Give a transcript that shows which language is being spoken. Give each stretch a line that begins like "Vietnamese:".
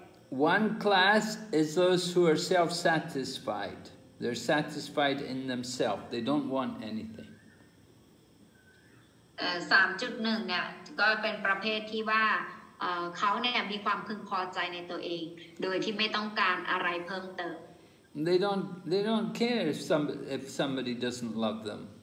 English: One class is those who are self-satisfied. They're satisfied in themselves. They don't want anything.
Thai: 3.1 เนี่ยก็เป็นประเภทที่ว่าเขาเนี่ยมีความพึงพอใจในตัวเองโดยที่ไม่ต้องการอะไรเพิ่มเติม.
English: They don't care if somebody doesn't love them.